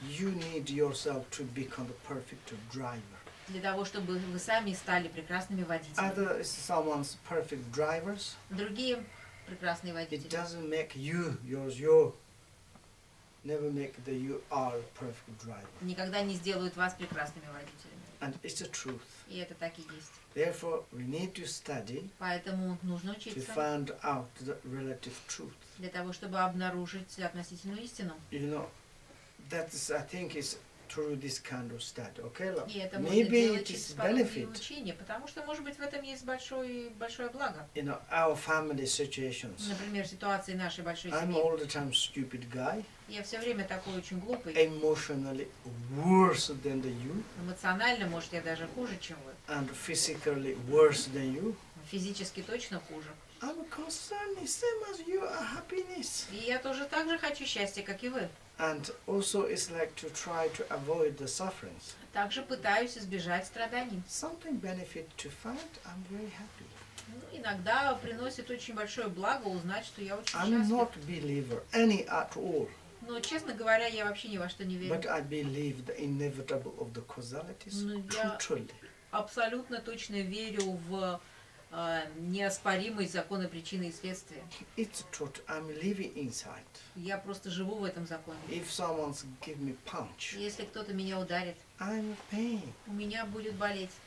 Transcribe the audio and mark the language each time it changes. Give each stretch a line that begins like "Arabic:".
English: You need yourself to become the perfect driver.
Russian: Для того, чтобы вы сами стали прекрасными водителями.
English: Other is someone's perfect drivers.
Russian: Другие прекрасные водители.
English: It doesn't make you yours your. Never make that you are a perfect driver.
Russian: Никогда не сделают вас прекрасными водителями.
English: And it's the truth.
Russian: И это так и есть.
English: Therefore, we need to study.
Russian: Поэтому нужно учиться.
English: To find out the relative truth.
Russian: Для того, чтобы обнаружить относительную истину.
English: You know, that is, I think, is through this kind of study, okay?
Russian: И это
English: Maybe
Russian: можно делать через подобные учения, потому что, может быть, в этом есть большое благо.
English: You know, our family situations.
Russian: Например, ситуации нашей большой
English: I'm
Russian: семьи.
English: I'm all the time stupid guy.
Russian: Я все время такой очень глупый.
English: Emotionally worse than the you.
Russian: Эмоционально, может, я даже хуже, чем вы.
English: And physically worse than you.
Russian: Физически точно хуже.
English: I'm concerned, same as you, a happiness.
Russian: И я тоже так же хочу счастья, как и вы.
English: And also it's like to try to avoid the sufferings.
Russian: Также пытаюсь избежать страданий.
English: Something benefit to find, I'm very happy.
Russian: Ну, иногда приносит очень большое благо узнать, что я очень счастлив.
English: I'm not believer any at all.
Russian: Но, честно говоря, я вообще ни во что не верю.
English: But I believe the inevitable of the causalities truly.
Russian: Абсолютно точно верю в неоспоримые законы причины и следствия.
English: It's truth. I'm living inside.
Russian: Я просто живу в этом законе.
English: If someone gives me punch,
Russian: если кто-то меня ударит,
English: I'm pain.
Russian: У меня будет болеть.